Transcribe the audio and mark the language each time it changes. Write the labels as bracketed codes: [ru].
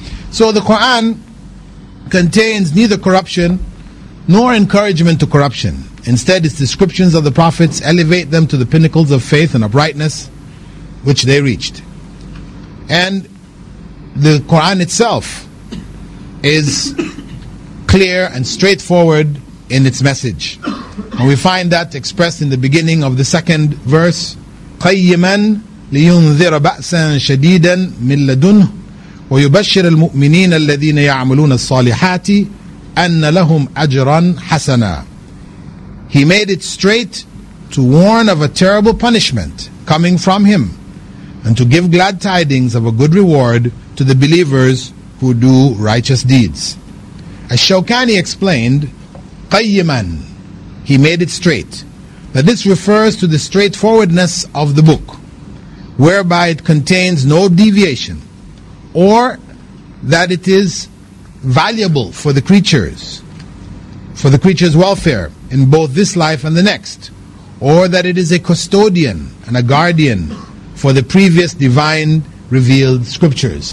[en] So the Quran contains neither corruption nor encouragement to corruption. Instead, its descriptions of the prophets elevate them to the pinnacles of faith and uprightness which they reached. And the Quran itself is clear and straightforward in its message. And we find that expressed in the beginning of the second verse, [ar] قَيِّمًا لِيُنذِرَ بَأْسًا شَدِيدًا مِنْ لَدُنْهُ وَيُبَشِّرَ الْمُؤْمِنِينَ الَّذِينَ يَعْمَلُونَ الصَّالِحَاتِ أَنَّ لَهُمْ أَجْرًا حَسَنًا. [en] He made it straight to warn of a terrible punishment coming from him, and to give glad tidings of a good reward to the believers who do righteous deeds. As Shawkani explained, قَيِّمًا, he made it straight, that this refers to the straightforwardness of the book, whereby it contains no deviation, or that it is valuable for the creatures' welfare in both this life and the next, or that it is a custodian and a guardian for the previous divine revealed scriptures.